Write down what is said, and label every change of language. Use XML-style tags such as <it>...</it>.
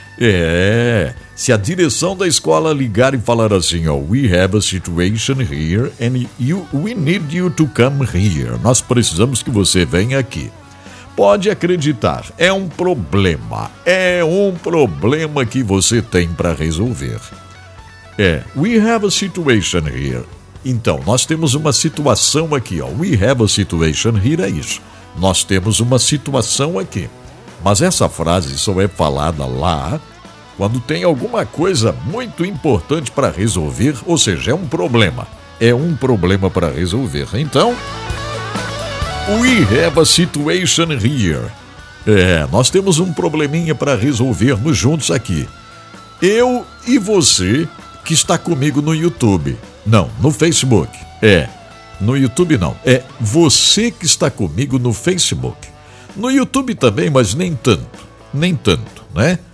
<pt>É, se a direção da escola ligar e falar assim, ó,</pt> <en>"We have a situation here and we need you to come here."</en> <pt>Nós precisamos que você venha aqui. Pode acreditar, é um problema. É um problema que você tem para resolver.</pt> <en>É, "We have a situation here."</en> <pt>Então, nós temos uma situação aqui, ó.</pt> <en>"We have a situation here"</en> <pt>é isso. Nós temos uma situação aqui. Mas essa frase só é falada lá quando tem alguma coisa muito importante para resolver, ou seja, é um problema. É um problema para resolver.</pt> <en>Então, "We have a situation here."</en> <pt>É, nós temos um probleminha para resolvermos juntos aqui. Eu e você que está comigo no YouTube. Não, no Facebook. É, no YouTube não. É você que está comigo no Facebook. No YouTube também, mas nem tanto. Nem tanto, né?</pt>